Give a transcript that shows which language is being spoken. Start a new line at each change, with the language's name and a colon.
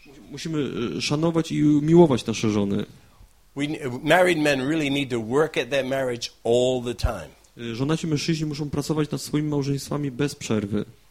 Polish: Musimy szanować i miłować nasze żony.
English: Married men really need to work at their marriage all the time.
Polish: Żonaci mężczyźni muszą pracować nad swoimi małżeństwami bez przerwy.